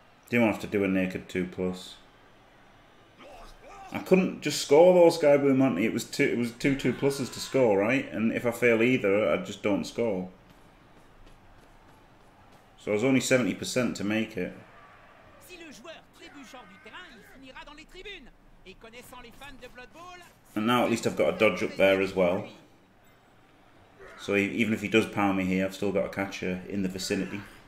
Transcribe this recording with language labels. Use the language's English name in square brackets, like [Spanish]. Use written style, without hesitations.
[English] Didn't have to do a naked 2+. I couldn't just score those guy with money. It was two pluses to score, right? And if I fail either, I just don't score. So I was only 70% to make it. [French] Si le joueur trébuche hors du terrain, il finira dans les tribunes. Et connaissant les fans de Blood Bowl, [English] and now at least I've got a dodge up there as well. So even if he does power me here, I've still got a catcher in the vicinity.